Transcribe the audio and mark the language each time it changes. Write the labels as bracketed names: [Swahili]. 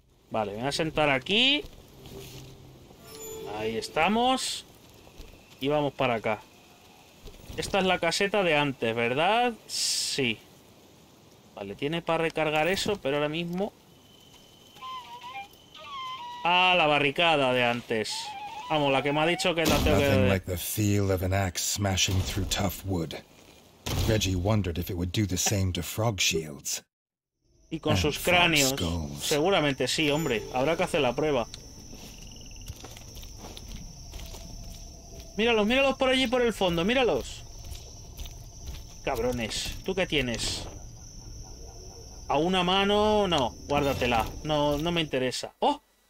[Spanish] Vale, me voy a sentar aquí. Ahí estamos. Y vamos para acá. Esta es la caseta de antes, ¿verdad? Sí. Vale, tiene para recargar eso, pero ahora mismo... ¡Ah, la barricada de antes! Vamos, la que me ha dicho que la tengo que... [English] Nothing like the feel of an axe smashing through tough wood. Reggie wondered if it would do the same to frog shields. [Spanish] Y con sus cráneos. Seguramente sí, hombre. Habrá que hacer la prueba. Míralos por allí por el fondo. Míralos. Cabrones. ¿Tú qué tienes? ¿A una mano? No. Guárdatela. No me interesa. ¡Oh!